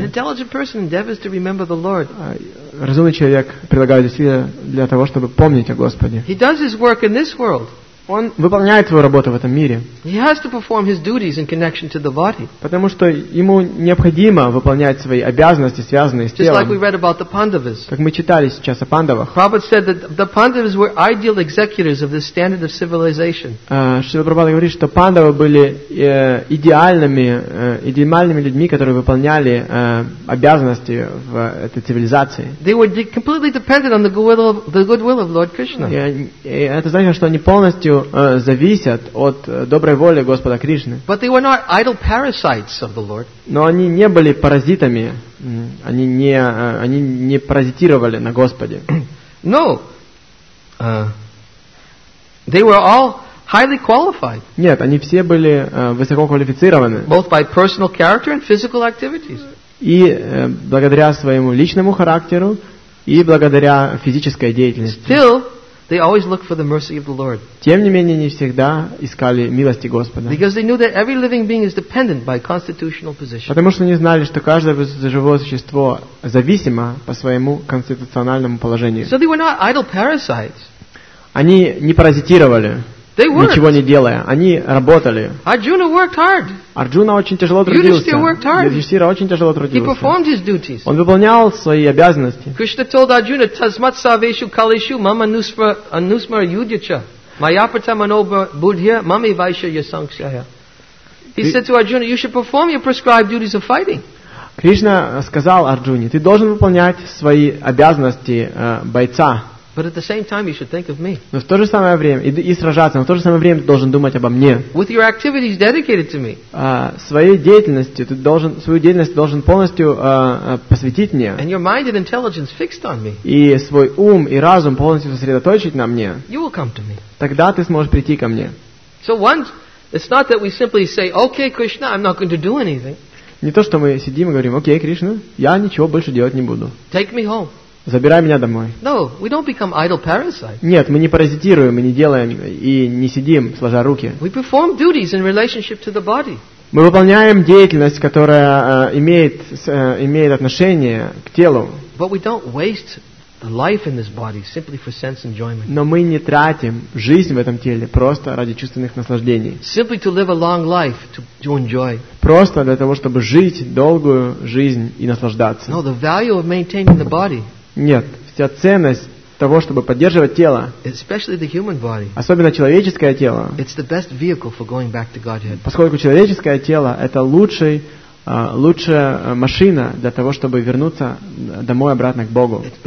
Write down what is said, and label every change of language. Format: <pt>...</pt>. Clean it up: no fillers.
<ru>Разумный человек прилагает усилия для того, чтобы помнить о Господе.</ru> <en>He does his work in this world.</en> <ru>Он выполняет свою работу в этом мире.</ru> <en>He has to perform his duties in connection to the body.</en> <ru>Потому что ему необходимо выполнять свои обязанности, связанные с телом.</ru> <en>Just like we read about the Pandavas.</en> <ru>Как мы читали сейчас о Пандавах.</ru> <en>Prabhupada said that the Pandavas were ideal executors of this standard of civilization.</en> <ru>Шрила Прабхупада говорит, что Пандавы были идеальными людьми, которые выполняли обязанности в этой цивилизации.</ru> <en>They were completely dependent on the goodwill of Lord Krishna.</en> <ru>Это значит, что они полностью зависят от доброй воли Господа Кришны.</ru> <en>But they were not idle parasites of the Lord.</en> <ru>Но они не были паразитами, они не паразитировали на Господе.</ru> <en>No. They were all highly qualified.</en> <ru>Нет, они все были высококвалифицированы.</ru> <en>Both by personal character and physical activities.</en> <ru>И благодаря своему личному характеру и благодаря физической деятельности.</ru> <en>Still, they always look for the mercy of the Lord.</en> <ru>Тем не менее, они всегда искали милости Господа.</ru> <en>Because they knew that every living being is dependent by constitutional position.</en> <ru>Потому что они знали, что каждое живое существо зависимо по своему конституциональному положению.</ru> <en>So they were not idle parasites.</en> <ru>Они не паразитировали.</ru> <en>They worked.</en> <ru>Ничего не делая, они работали.</ru> <en>Arjuna worked hard.</en> <ru>Арджуна очень тяжело трудился. Юдхиштхира очень тяжело трудился.</ru> <en>He performed his duties.</en> <ru>Он выполнял свои обязанности.</ru> <en>Krishna told Arjuna,</en> <sa>"Tasmat saveshu kaleshu mama anusmara yudhyacha, mayapata manobha buddhya, mami vaisha yasankshaya."</sa> <en>He said to Arjuna, "You should perform your prescribed duties of fighting."</en> <ru>Кришна сказал Арджуне, ты должен выполнять свои обязанности бойца.</ru> <en>But at the same time, you should think of me.</en> <ru>Но в то же самое время и сражаться, но в то же самое время ты должен думать обо мне.</ru> <en>With your activities dedicated to me.</en> <ru>Свою деятельность ты должен полностью посвятить мне.</ru> <en>And your mind and intelligence fixed on me.</en> <ru>И свой ум и разум полностью сосредоточить на мне.</ru> <en>You will come to me.</en> <ru>Тогда ты сможешь прийти ко мне.</ru> <en>So once, it's not that we simply say, "Okay, Krishna, I'm not going to do anything."</en> <ru>Не то, что мы сидим и говорим, "Окей, Кришна, я ничего больше делать не буду."</ru> <en>Take me home.</en> <ru>Забирай меня домой.</ru> <en>No, we don't become idle parasites.</en> <ru>Нет, мы не паразитируем, мы не делаем и не сидим, сложа руки.</ru> <en>We perform duties in relationship to the body.</en> <ru>Мы выполняем деятельность, которая имеет отношение к телу.</ru> <en>But we don't waste the life in this body simply for sense enjoyment.</en> <ru>Но мы не тратим жизнь в этом теле просто ради чувственных наслаждений.</ru> <en>Simply to live a long life to enjoy.</en> <ru>Просто для того, чтобы жить долгую жизнь и наслаждаться.</ru> <en>No, the value of maintaining the body.</en> <ru>Нет, вся ценность того, чтобы поддерживать тело,</ru> <en>body,</en> <ru>особенно человеческое тело,</ru> <en>it's the best vehicle for going back to Godhead.</en> <ru>Поскольку человеческое тело – это лучшая машина для того, чтобы вернуться домой обратно к Богу.</ru>